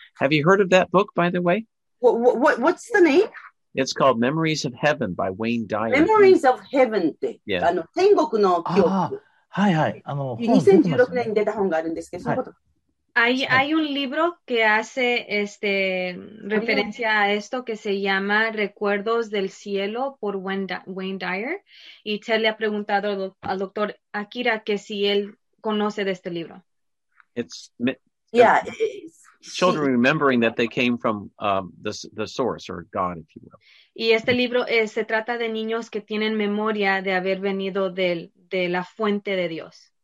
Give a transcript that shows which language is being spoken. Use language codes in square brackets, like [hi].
[en] Have you heard of that book, by the way? What's the name? It's called Memories of Heaven by Wayne Dyer. [ja] Memories of Heaven って、 [en] yeah. [ja] 天国の記憶。はいはい。 2016年に出た本があるんですけど、はい、そのこと。 [es] Hay un libro que hace referencia a esto que se llama Recuerdos del Cielo por Wayne Dyer. Y Ted le ha preguntado al doctor Akira que si él conoce de este libro. [en] It's... Yeah, it's... children remembering that they came from the source or God, if you will. [es] Y este libro se trata de niños que tienen memoria de haber venido de la fuente de Dios.